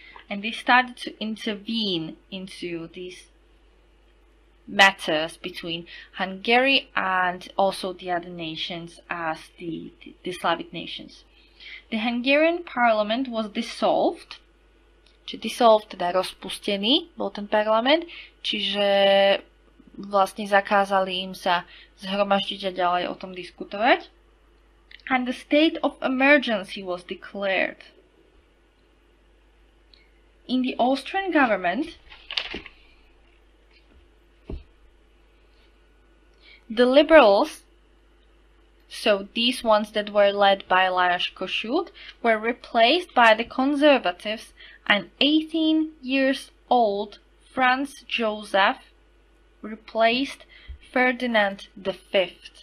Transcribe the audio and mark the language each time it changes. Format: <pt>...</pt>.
<en>And they started to intervene into these matters between Hungary and also the other nations as the Slavic nations. The Hungarian parliament was dissolved.</en> <sk>Či dissolved, teda rozpustený bol ten parlament, čiže vlastne zakázali im sa zhromaždiť a ďalej o tom diskutovať.</sk> <en>And the state of emergency was declared. In the Austrian government, the liberals, so these ones that were led by Lajos Kossuth, were replaced by the conservatives and 18 years old Franz Joseph replaced Ferdinand V.</en>